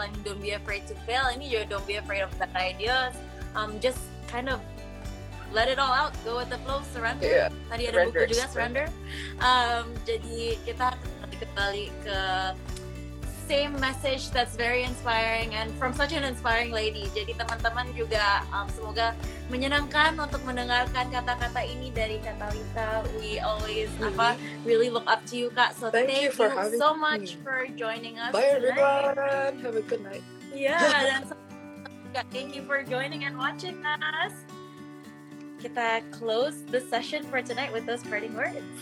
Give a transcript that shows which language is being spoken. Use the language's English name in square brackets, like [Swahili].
[English] Like, don't be afraid to fail. [Indonesian] Ini juga [English] don't be afraid of bad ideas. Just kind of let it all out, go with the flow, surrender. Yeah. [Indonesian] Tadi ada [English] surrender. [Indonesian] Buku juga, [English] surrender. [Indonesian] Jadi kita nanti kembali ke [English] same message that's very inspiring and from such an inspiring lady. [Indonesian] Jadi teman-teman juga semoga menyenangkan untuk mendengarkan kata-kata ini dari Katalita. [English] We always really look up to you, Kak. So thank you so much for joining us. Bye tonight. Everyone. Have a good night. Yeah, dan thank you for joining and watching us. Kita close the session for tonight with those parting words.